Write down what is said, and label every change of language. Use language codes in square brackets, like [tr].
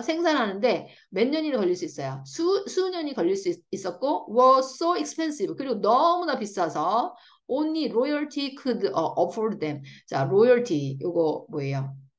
[ko] 생산하는데 몇 년이 걸릴 수 있어요? 수년이 걸릴 수 있었고 [en] was so expensive. [ko] 그리고 너무나 비싸서 [en] only royalty could afford them. [ko] 자, royalty 요거 뭐예요?